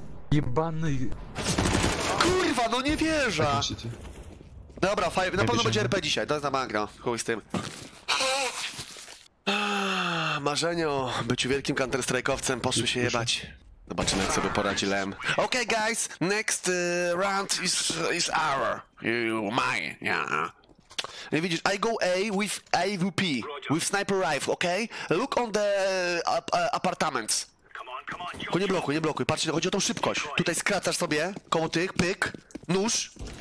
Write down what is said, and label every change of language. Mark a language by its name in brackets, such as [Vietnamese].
[Polish] Jebany... Kurwa, no nie wierzę! Dobra, fajnie, na pewno będzie RP dzisiaj, to jest na mangro, chuj z tym. Marzenio, być wielkim counter-strike'owcem, poszły się jebać. Zobaczymy, jak sobie poradzi Lem. [English] Okay, guys, next round is our. Mine. [Polish] Nie widzisz, [English] I go A with AWP, with sniper rifle, okay? Look on the apartments. [Polish] Tylko nie blokuj, patrzcie, chodzi o tą szybkość. Tutaj skracasz sobie, koło tych, pyk, nóż.